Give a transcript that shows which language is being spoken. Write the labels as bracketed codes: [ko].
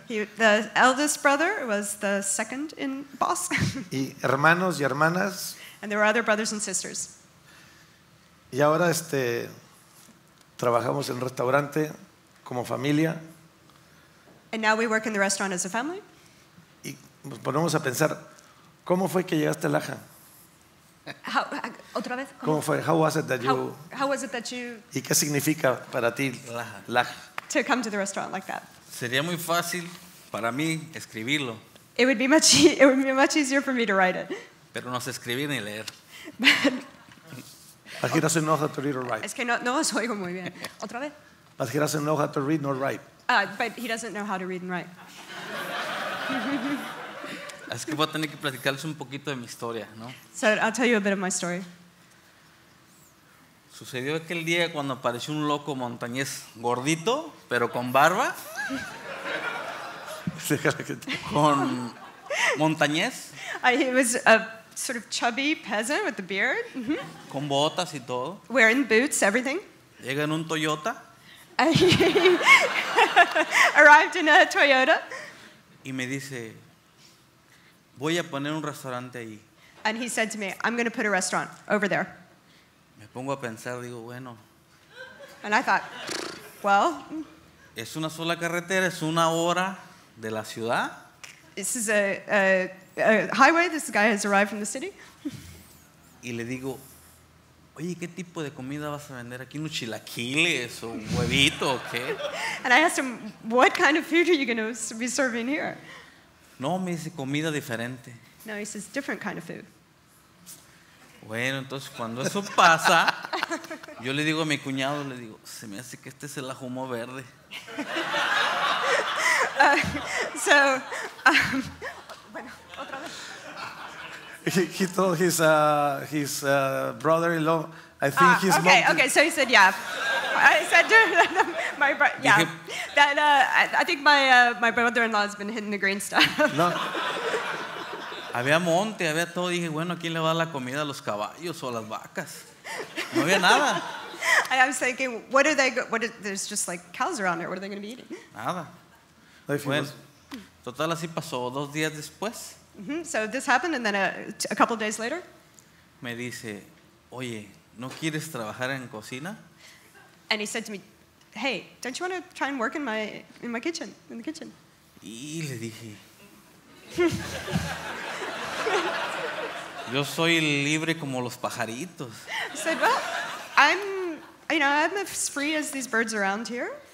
[en] The eldest brother was the second in boss. [es] Y hermanos y hermanas. [en] And there were other brothers and sisters. [es] Y ahora trabajamos en restaurante como familia. [en] And now we work in the restaurant as a family. [es] Y nos ponemos a pensar, ¿cómo fue que llegaste a Laja? ¿Otra vez? ¿Cómo fue? [en] How was it that you... How was it that you... [es] ¿Y qué significa para ti Laja? [en] To come to the restaurant like that. [es] Sería muy fácil para mí escribirlo. [en] It would be much easier for me to write it. [es] Pero no sé escribir ni leer. [en] But he doesn't know how to read or write. [es] Es que no os oigo muy bien. ¿Otra vez? [en] But he doesn't know how to read nor write. But he doesn't know how to read and write. [es] Así que voy a tener que platicarles un poquito de mi historia, ¿no? [en] So I'll tell you a bit of my story. [es] Sucedió aquel día cuando apareció un loco montañés gordito, pero con barba. Con montañés. [en] He was a sort of chubby peasant with a beard. Mm-hmm. [es] Con botas y todo. [en] Wearing boots, everything. [es] Llega en un Toyota. [en] Arrived in a Toyota. [es] Y me dice, voy a poner un restaurante ahí. [en] And he said to me, I'm going to put a restaurant over there. [es] Pongo a pensar, digo, bueno. [en] And I thought, well. [es] Es una sola carretera, es una hora de la ciudad. [en] This is a highway. This guy has arrived from the city. [es] Y le digo, oye, ¿qué tipo de comida vas a vender aquí? ¿Unos chilaquiles o un huevito o qué? [en] And I asked him, what kind of food are you going to be serving here? [es] No, me dice, comida diferente. [en] No, he says, different kind of food. [es] Bueno, entonces cuando eso pasa, yo le digo a mi cuñado, le digo, se me hace que este es el ajumo verde. Bueno, otra vez. [en] He told his brother-in-law, I think he's okay, so he said, yeah. I said to my brother, yeah, that I think my my brother-in-law has been hitting the green stuff. [es] No. Había monte, había todo. Dije, bueno, ¿quién le va a dar la comida a los caballos o a las vacas? No había nada. [en] I was thinking, what are they? What is, there's just like cows around here. What are they going to be eating? [es] Nada. Bueno, total, así pasó. Dos días después. Mm-hmm. [en] So this happened, and then a couple of days later. [es] Me dice, oye, ¿no quieres trabajar en cocina? [en] And he said to me, hey, don't you want to try and work in my kitchen, in the kitchen? [es] Y le dije, yo soy libre como los pajaritos. [en] I said, well, I'm as free as these birds around here.